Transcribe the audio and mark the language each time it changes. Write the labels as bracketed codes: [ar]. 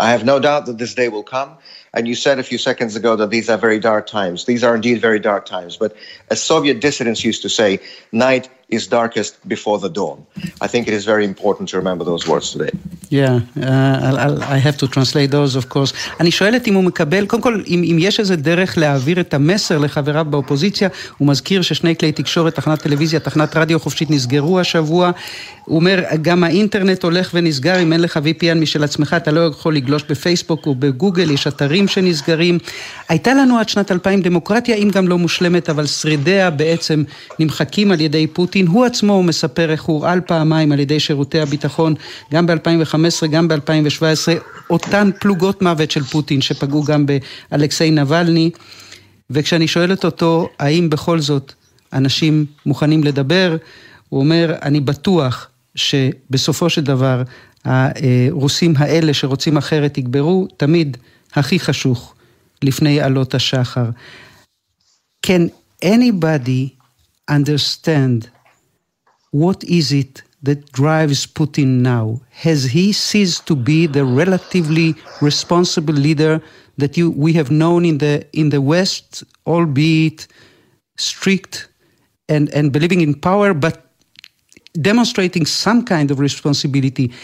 [en] I have no doubt that this day will come. And you said a few seconds ago that these are very dark times. These are indeed very dark times. But as Soviet dissidents used to say, night is darkest before the dawn. I think it is very important to remember those words today. Yeah, I have to translate those, of course. [he] אני שואלת אם הוא מקבל, קודם כל, אם יש איזה דרך להעביר את המסר לחבריו באופוזיציה, הוא מזכיר ששני כלי תקשורת, תחנת טלוויזיה, תחנת רדיו חופשית, נסגרו השבוע. הוא אומר, גם האינטרנט הולך ונסגר, אם אין לך VPN משל עצמך, אתה לא יכול לגלוש בפייסבוק או בגוגל, יש אתרים שנסגרים. הייתה לנו עד שנת 2000 דמוקרטיה, אם גם לא מושלמת, אבל שרידיה בעצם נמחקים על ידי פוטין. הוא עצמו מספר איך הוא על פעמיים על ידי שירותי הביטחון, גם ב-2015, גם ב-2017, אותן פלוגות מוות של פוטין שפגעו גם באלכסי נבלני. וכשאני שואלת אותו, האם בכל זאת אנשים מוכנים לדבר, הוא אומר, אני בטוח שבסופו של דבר, הרוסים האלה שרוצים אחרת יגברו, תמיד הכי חשוך לפני עלות השחר. [en] Can anybody understand what is it that drives Putin now? Has he ceased to be the relatively responsible leader that we have known in the West, albeit strict and believing in power, but demonstrating some kind of responsibility?